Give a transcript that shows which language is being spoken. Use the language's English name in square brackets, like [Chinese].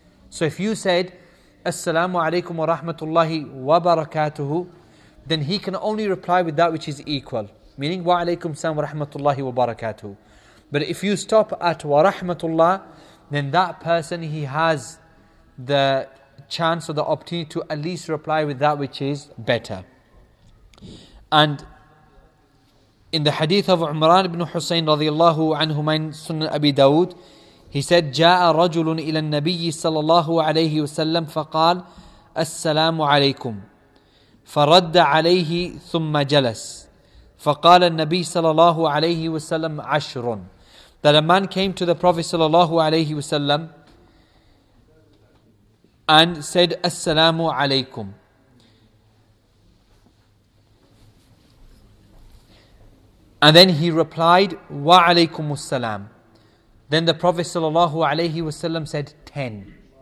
[English] So if you said, [Arabic] assalamu alaykum wa rahmatullahi wa barakatuh, [English] then he can only reply with that which is equal, meaning [Arabic] wa alaykum assalam wa rahmatullahi wa barakatuh. [English] But if you stop at [Arabic] wa rahmatullah, [English] then that person, he has the chance or the opportunity to at least reply with that which is better. And in the hadith of Umran ibn Husayn radiyallahu anhu min Sunan Abi Dawud, he said, [Arabic] جَاءَ رَجُلٌ إِلَى النَّبِيِّ صَلَى اللَّهُ عَلَيْهِ وَسَلَّمْ فَقَالَ السَّلَامُ عَلَيْكُمْ فَرَدَّ عَلَيْهِ ثُمَّ جَلَسْ فَقَالَ النَّبِيِّ صَلَى اللَّهُ عَلَيْهِ وَسَلَّمْ عَشْرٌ. [English] That a man came to the Prophet صلى الله عليه وسلم and said, [Arabic] السَّلَامُ عَلَيْكُمْ. [English] And then he replied, [Arabic] وَعَلَيْكُمُ السَّلَامُ. [English] Then the Prophet sallallahu alayhi wasallam said 10.